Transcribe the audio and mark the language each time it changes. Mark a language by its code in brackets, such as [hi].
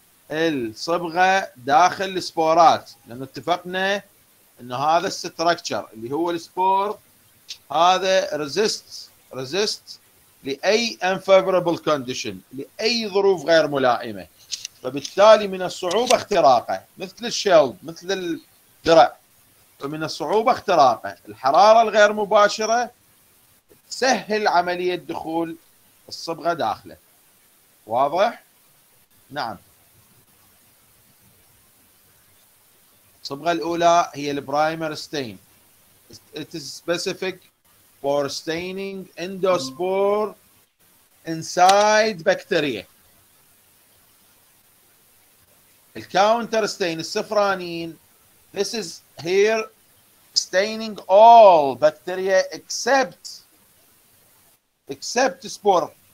[ar] الصبغه داخل السبورات، لان اتفقنا ان هذا الستركتشر اللي هو السبور هذا ريزيست لاي انفيفربل كونديشن، لاي ظروف غير ملائمه، فبالتالي من الصعوبه اختراقه، مثل الشيلد مثل الدرع، فمن الصعوبه اختراقه. الحراره الغير مباشره تسهل عمليه دخول الصبغه داخله. واضح؟ نعم. الصبغة الأولى هي البرايمر ستين. [en] It is specific for staining endospore inside bacteria. [ar] الكاونتر ستين السفرانين. [en] This is here staining all bacteria except spore.